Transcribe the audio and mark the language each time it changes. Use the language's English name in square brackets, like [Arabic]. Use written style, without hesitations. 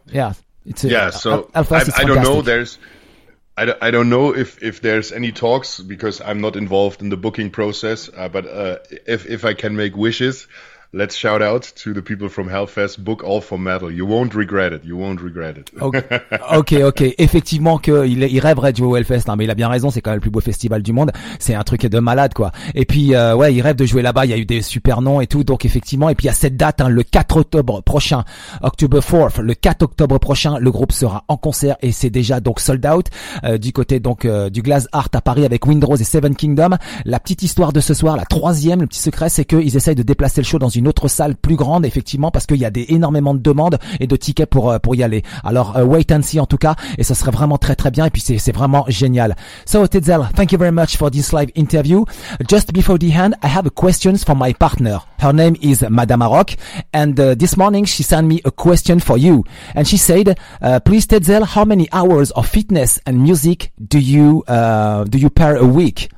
[English] Yeah. I don't know if there's any talks because I'm not involved in the booking process, but if I can make wishes, let's shout out to the people from Hellfest. Book All For Metal. You won't regret it. You won't regret it. Okay. [French] Effectivement, il rêverait de jouer au Hellfest, hein, mais il a bien raison. C'est quand même le plus beau festival du monde. C'est un truc de malade, quoi. Et puis, il rêve de jouer là-bas. Il y a eu des super noms et tout. Donc, effectivement. Et puis, il y a cette date, hein, le 4 octobre prochain. [English] October 4th. [French] Le 4 octobre prochain, le groupe sera en concert et c'est déjà donc sold out du côté donc du Glass Art à Paris avec Windrose et Seven Kingdom. La petite histoire de ce soir, la troisième, le petit secret, c'est qu'ils essayent de déplacer le show dans une autre salle plus grande, effectivement, parce qu'il y a énormément de demandes et de tickets pour y aller. Alors, [English] wait and see, [French] en tout cas, et ça serait vraiment très, très bien, et puis c'est vraiment génial. [English] So, Tetzel, thank you very much for this live interview. Just before the end, I have a question for my partner. Her name is Madame Maroc, and this morning she sent me a question for you. And she said, please, Tetzel, how many hours of fitness and music do you pair a week?